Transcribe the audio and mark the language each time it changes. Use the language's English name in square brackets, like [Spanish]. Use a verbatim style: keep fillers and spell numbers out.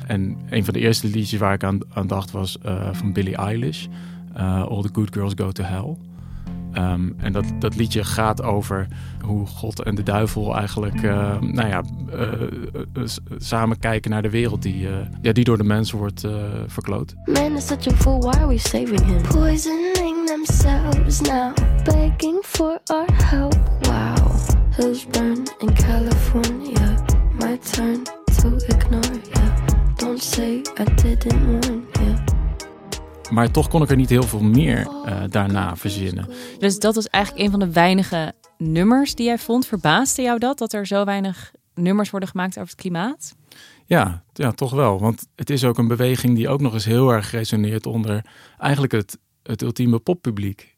[Dutch] En een van de eerste liedjes waar ik aan, aan dacht was uh, van Billie Eilish. Uh, All the Good Girls Go to Hell. Um, en dat, dat liedje gaat over hoe God en de duivel eigenlijk uh, nou ja, uh, uh, uh, s- samen kijken naar de wereld die, uh, ja, die door de mens wordt uh, verkloot. [English] Man is such a fool, why are we saving him? Poisoning themselves now, begging for our help. Wow, hills burn in California, my turn to ignore you. Don't say I didn't warn you. [Dutch] Maar toch kon ik er niet heel veel meer uh, daarna verzinnen. Dus dat was eigenlijk een van de weinige nummers die jij vond. Verbaasde jou dat, dat er zo weinig nummers worden gemaakt over het klimaat? Ja, ja, toch wel. Want het is ook een beweging die ook nog eens heel erg resoneert onder eigenlijk het, het ultieme poppubliek.